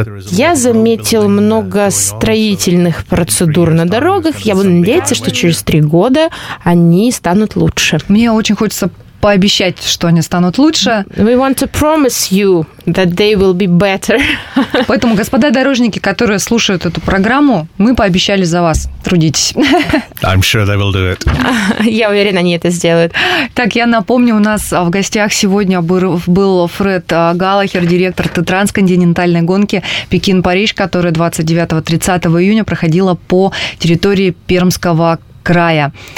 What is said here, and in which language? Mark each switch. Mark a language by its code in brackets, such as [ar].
[ru] Я заметил много строительных процедур на дорогах. Я буду надеяться, что через 3 года они станут лучше. Мне очень хочется пообещать, что они станут лучше. [en] We want to promise you that they will be better. [ru] Поэтому, господа дорожники, которые слушают эту программу, мы пообещали за вас. Трудитесь. [en] I'm sure they will do it. [ru] Я уверена, они это сделают. Так, я напомню, у нас в гостях сегодня был Фред Галлахер, директор трансконтинентальной гонки Пекин-Париж, которая 29-30 июня проходила по территории Пермского края.